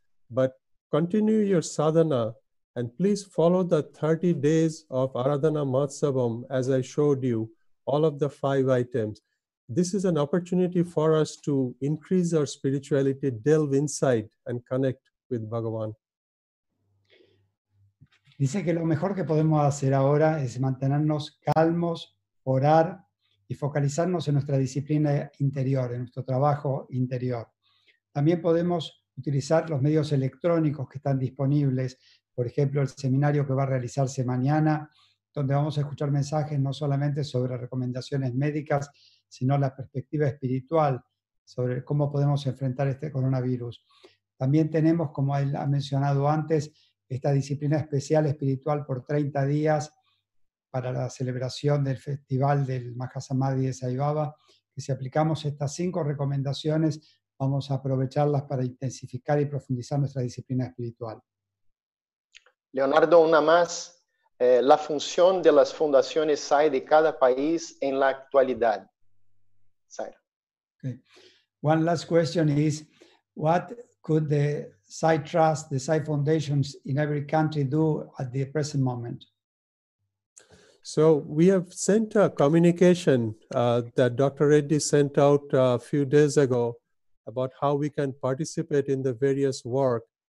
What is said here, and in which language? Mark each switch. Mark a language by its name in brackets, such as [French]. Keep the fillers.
[English] But continue your sadhana and please follow the 30 days of Aradhana Matsavam as I showed you, all of the five items. This is an opportunity for us to increase our spirituality, delve inside, and connect with Bhagavan. [Spanish] Dice que lo mejor que podemos hacer ahora es mantenernos calmos, orar y focalizarnos en nuestra disciplina interior, en nuestro trabajo interior. También podemos utilizar los medios electrónicos que están disponibles, por ejemplo, el seminario que va a realizarse mañana, donde vamos a escuchar mensajes no solamente sobre recomendaciones médicas, sino la perspectiva espiritual sobre cómo podemos enfrentar este coronavirus. También tenemos, como él ha mencionado antes, esta disciplina especial espiritual por 30 días para la celebración del festival del Mahasamadhi de Sai Baba, que si aplicamos estas cinco recomendaciones, vamos a aprovecharlas para intensificar y profundizar nuestra disciplina espiritual. Leonardo, una más. Eh, la función de las fundaciones SAI de cada país en la actualidad. Zaira. [English] One last question is, what could the Sai Trust, the Sai Foundations in every country do at the present moment? So we have sent a communication uh, that Dr. Reddy sent out a few days ago about how we can participate in the various work.